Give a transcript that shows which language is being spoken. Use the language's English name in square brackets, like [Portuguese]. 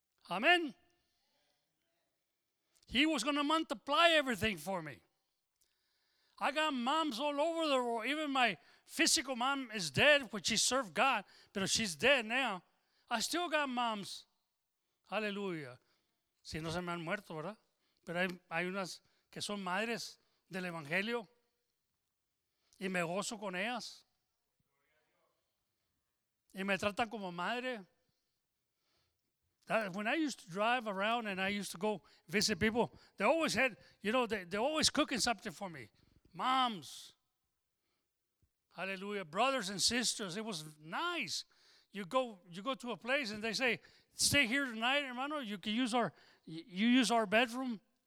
[English] Amen. He was going to multiply everything for me. I got moms all over the world. Even my physical mom is dead, which she served God, but she's dead now. I still got moms. [Spanish] Aleluya. Si no se me han muerto, ¿verdad? Pero hay unas que son madres del evangelio y me gozo con ellas y me tratan como madre. [English] That, when I used to drive around and I used to go visit people, they always had, you know, they're always cooking something for me. Moms. Aleluya. Brothers and sisters. It was nice. You go to a place and they say, stay here tonight, hermano. You can use our bedroom.